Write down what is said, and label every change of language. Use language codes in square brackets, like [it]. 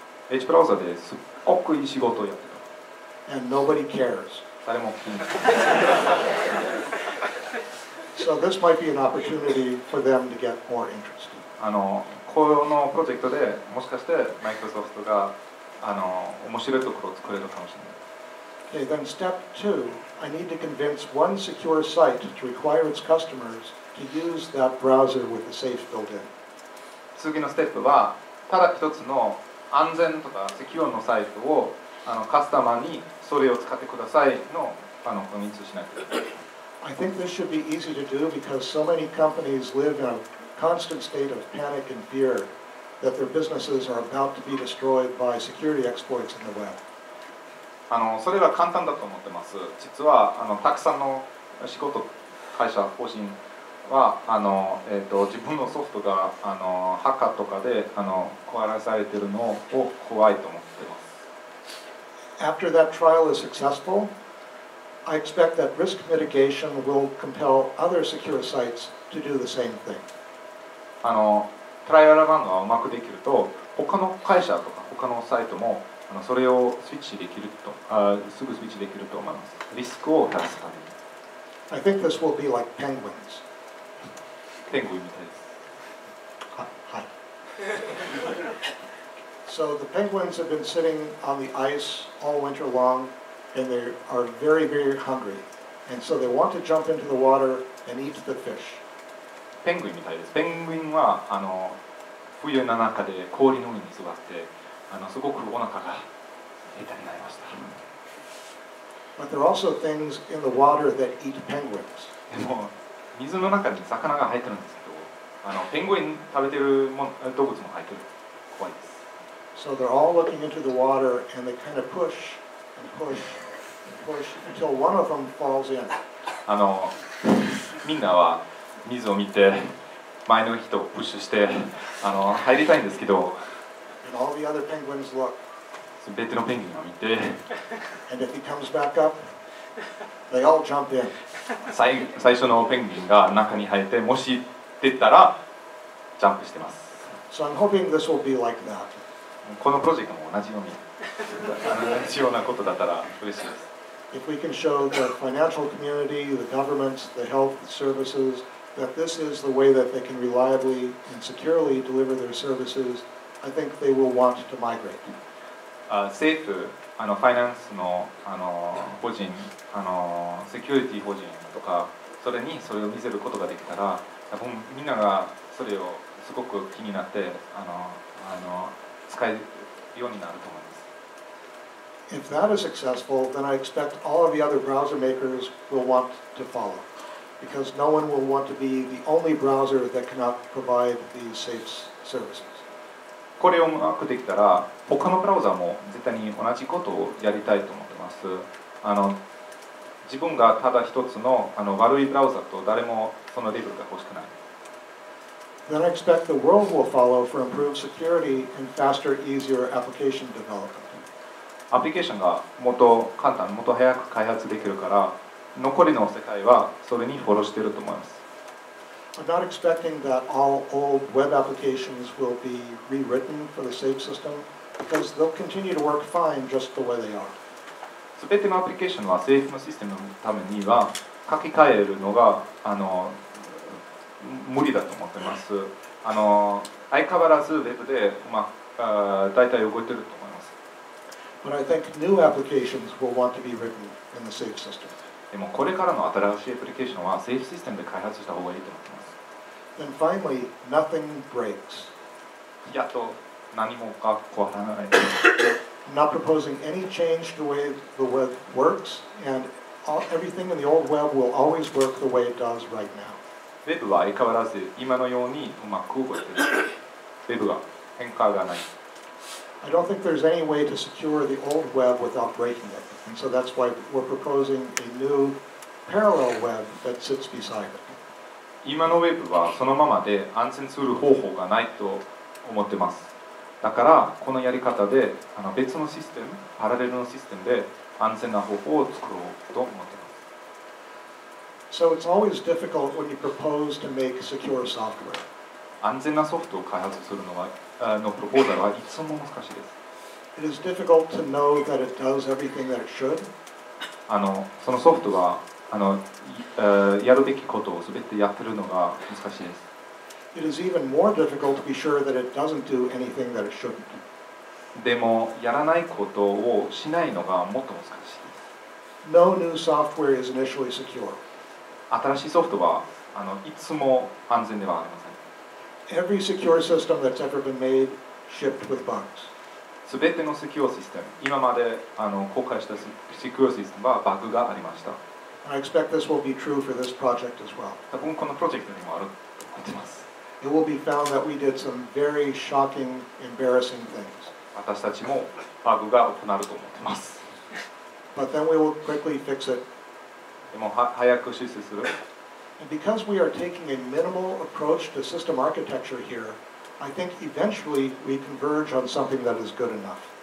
[ja] Edge ブラウザですっごくいい仕事をやってた。 [en] And nobody cares. [ja] 誰も気に [en] So this might be an opportunity for them to get more interest. [ja] あの、このプロジェクトでもしかしてマイクロソフトがあの面白いところを作れるかもしれない。 [en] Okay, then step two, I need to convince one secure site to require its customers to use that browser with the safe built-in. [ja] 次のステップは、ただ一つの安全とかセキュアのサイトをあのカスタマーにそれを使ってくださいのあのコミットしないといけない。 [en] I think this should be easy to do because so many companies live in a constant state of panic and fear that their businesses are about to be destroyed by security exploits in the web. [ja] あの、それは簡単だと思ってます。実はあのたくさんの仕事会社法人はあの、自分のソフトがあのハッカーとかであの壊らされているのを怖いと思ってます。 [en] After that trial is successful,I expect that risk mitigation will compel other secure sites to do the same thing. [ja] あの、トライアルランがうまくできると、他の会社とか他のサイトもあのそれをスイッチできると、すぐスイッチできると思います。リスクを減らすために。 [en] I think this will be like penguins. [ja] ペンゴンみたいです。はい。 [en] So the penguins have been sitting on the ice all winter long. And they are very, very hungry. And so they want to jump into the water and eat the fish. [ja] ペンギンみたいです。ペンギンはあの冬の中で氷の上に座ってあのすごくお腹が減ったになりました。 [en] But there are also things in the water that eat penguins. [ja] でも水の中に魚が入ってるんですけど、あのペンギン食べてるも動物も入ってる。怖いです。 [en] So they're all looking into the water and they kind of push. Push, push until one of them falls in. [ja] あのみんなは水を見て前の人をプッシュしてあの入りたいんですけど。 [en] And all the other penguins look. [ja] 全てのペンギンを見て。 [en] And if he comes back up, they all jump in. [ja] 最初のペンギンが中に入ってもし出たらジャンプしてます。 [en] So I'm hoping this will be like that. [ja] このプロジェクトも同じように。必要なことだったら嬉しいです。 [en] If we can show the financial community, the governments, the health services that this is the way that they can reliably and securely deliver their services, I think they will want to migrate. [ja] Seif, あのファイナンスのあの法人、あのセキュリティ法人とかそれにそれを見せることができたら、多分みんながそれをすごく気になってあの使えるようになると思います。 [en] If that is successful, then I expect all of the other browser makers will want to follow. Because no one will want to be the only browser that cannot provide these safe services. [ja] これをうまくできたら、他のブラウザも絶対に同じことをやりたいと思ってます。あの、自分がただ一つの、あの、悪いブラウザと誰もそのレベルが欲しくない。 [en] Then I expect the world will follow for improved security and faster, easier application development. [ja] アプリケーションがもっと簡単、もっと早く開発できるから、残りの世界はそれにフォローしていると思います。 [en] I'm not expecting that all old web applications will be rewritten for the safe system, because they'll continue to work fine just the way they are. [ja] すべてのアプリケーションは Seif のシステムのためには書き換えるのがあの無理だと思ってます。あの相変わらずウェブで、まあ、だいたい動いてると。 [en] But I think new applications will want to be written in the safe system. [ja] でもこれからの新しいアプリケーションは Seif システムで開発した方がいいと思ってます。 [en] Then finally, nothing breaks. [ja] やっと何もが壊らない。 [en] Not proposing any change to the way the web works, and everything in the old web will always work the way it does right now. [ja] Web は相変わらず今のようにうまく動いている。 Web は変化がない。 [en] I don't think there's any way to secure the old web without breaking it. And so that's why we're proposing a new parallel web that sits beside it. [ja] 今のウェブはそのままで安全する方法がないと思ってます。だからこのやり方であの別のシステム、パラレルのシステムで安全な方法を作ろうと思ってます。 [en] So it's always difficult when you propose to make secure software. [ja] 安全なソフトを開発するのはのプロポーザルはいつも難しいです。 [en] It is difficult to know that it does everything that it should. [ja] あの、そのソフトが、あの、やるべきことをすべてやってるのが難しいです。 [en] It is even more difficult to be sure that it doesn't do anything that it shouldn't. [ja] でも、やらないことをしないのがもっと難しいです。 [en] No new software is initially secure. [ja] 新しいソフトは、あの、いつも安全ではありません。 [en] Every secure system that's ever been made shipped with bugs. [ja] すべてのセキュアシステム、今まで公開したセキュアシステムはバグがありました。 [en] I expect this will be true for this project as well. [ja] 多分このプロジェクトにもあると思ってます。 [en] It will be found that we did some very shocking, embarrassing things. [ja] 私たちもバグが起こると思ってます。 [en] But then we will quickly fix it. [ja] でも早く修正する。 [en] And because we are taking a minimal approach to system architecture here,I think eventually we converge on something that is good enough.